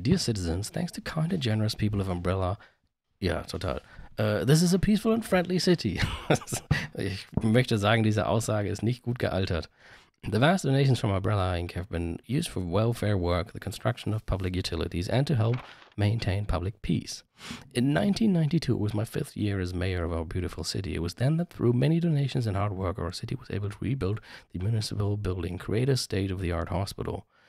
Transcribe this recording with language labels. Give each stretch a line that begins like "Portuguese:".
English: Dear citizens, thanks to kind and generous people of Umbrella.
German: Ja, total.
English: This is a peaceful and friendly city.
German: Ich möchte sagen, diese Aussage ist nicht gut gealtert.
English: The vast donations from Umbrella Inc. have been used for welfare work, the construction of public utilities, and to help maintain public peace. In 1992, it was my fifth year as mayor of our beautiful city. It was then that through many donations and hard work, our city was able to rebuild the municipal building, create a state-of-the-art hospital.